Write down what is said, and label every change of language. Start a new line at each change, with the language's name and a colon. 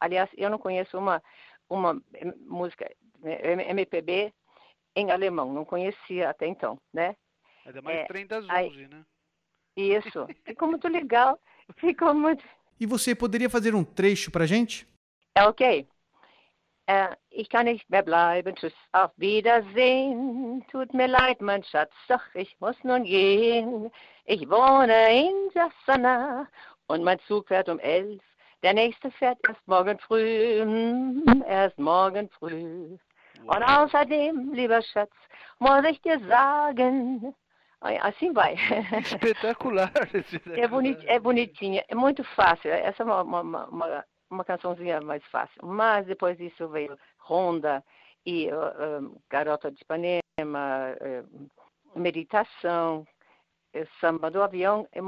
Portuguese: Aliás, eu não conheço uma música MPB em alemão, não conhecia até então, né? Ainda mais Trem das Onze, né? Isso, ficou muito legal, ficou muito... E você poderia fazer um trecho pra gente? É ok.
German: Ich kann nicht mehr bleiben, tschüss, auf Wiedersehen. Tut mir leid, mein Schatz, doch ich muss nun gehen. Ich wohne in der Sonne und mein Zug fährt 11. Der nächste fährt erst morgen früh. Und außerdem, lieber Schatz, muss ich dir sagen,
Portuguese: assim vai. Espetacular. É bonitinha, é muito fácil. Essa é uma cançãozinha mais fácil. Mas depois disso veio Ronda e Garota de Ipanema, Meditação, Samba do Avião.